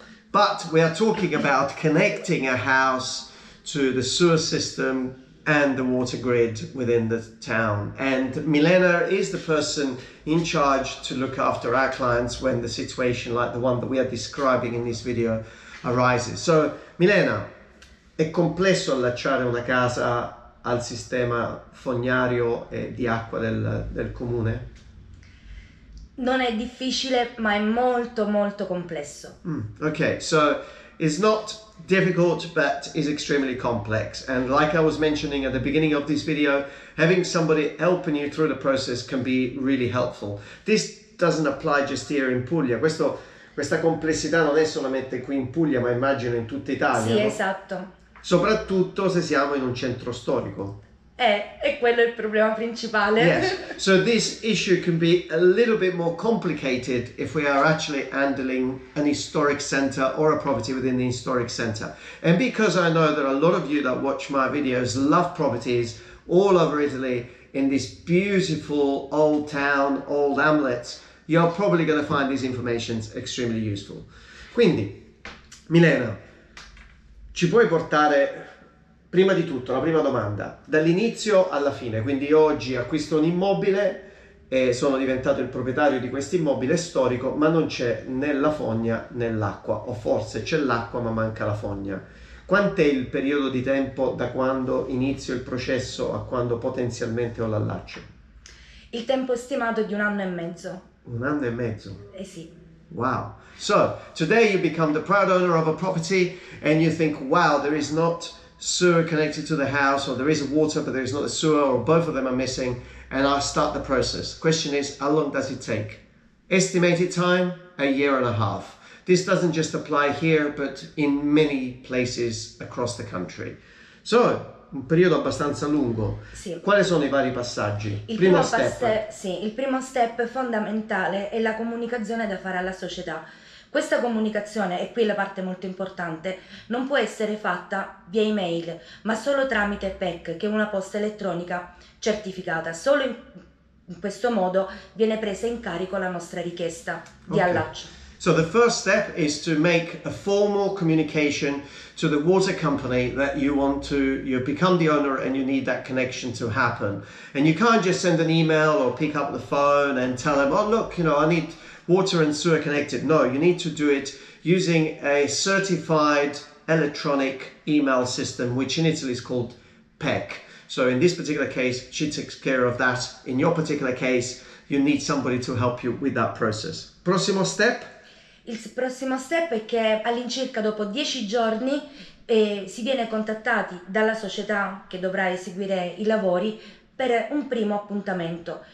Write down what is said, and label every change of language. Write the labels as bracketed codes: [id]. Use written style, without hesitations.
[en] But we are talking about connecting a house to the sewer system and the water grid within the town. And Milena is the person in charge to look after our clients when the situation like the one that we are describing in this video arises. [it] So Milena, è complesso allacciare una casa al sistema fognario e di acqua del comune? Non è difficile, ma è molto molto complesso. [en] Okay, so it's not difficult, but is extremely complex. And like I was mentioning at the beginning of this video, having somebody helping you through the process can be really helpful. This doesn't apply just here in Puglia. [it] Questa complessità non è solamente qui in Puglia, ma immagino in tutta Italia. Sì, esatto. Soprattutto se siamo in un centro storico. E quello è il problema principale. [en] Yes. So this issue can be a little bit more complicated if we are actually handling an historic center or a property within the historic center. And because I know that a lot of you that watch my videos love properties all over Italy in this beautiful old town, old hamlet, you're probably going to find these information extremely useful. [it] Quindi, Milena, ci puoi portare prima di tutto, la prima domanda, dall'inizio alla fine, quindi io oggi acquisto un immobile e sono diventato il proprietario di questo immobile storico, ma non c'è né la fogna né l'acqua, o forse c'è l'acqua ma manca la fogna. Quant'è il periodo di tempo da quando inizio il processo a quando potenzialmente ho l'allaccio? Il tempo stimato è di un anno e mezzo. Un anno e mezzo? Eh sì. Wow. [en] So, today you become the proud owner of a property and you think, wow, there is not sewer connected to the house, or there is water but there is not a sewer, or both of them are missing, and I start the process. Question is, how long does it take? Estimated time, a year and a half. This doesn't just apply here but in many places across the country. [it] So, un periodo abbastanza lungo. Sì. Quali sono i vari passaggi? Il primo step. Sì, il primo step fondamentale è la comunicazione da fare alla società. Questa comunicazione, e qui la parte molto importante, non può essere fatta via email, ma solo tramite PEC, che è una posta elettronica certificata. Solo in questo modo viene presa in carico la nostra richiesta di allaccio. [en] So the first step is to make a formal communication to the water company that you want to, you become the owner and you need that connection to happen. And you can't just send an email or pick up the phone and tell them, oh look, you know, I need water and sewer connected. No, you need to do it using a certified electronic email system, which in Italy is called PEC. So in this particular case, she takes care of that. In your particular case, you need somebody to help you with that process. [it] Prossimo step? Il prossimo step è che all'incirca dopo 10 giorni si viene contattati dalla società che dovrà eseguire i lavori per un primo appuntamento.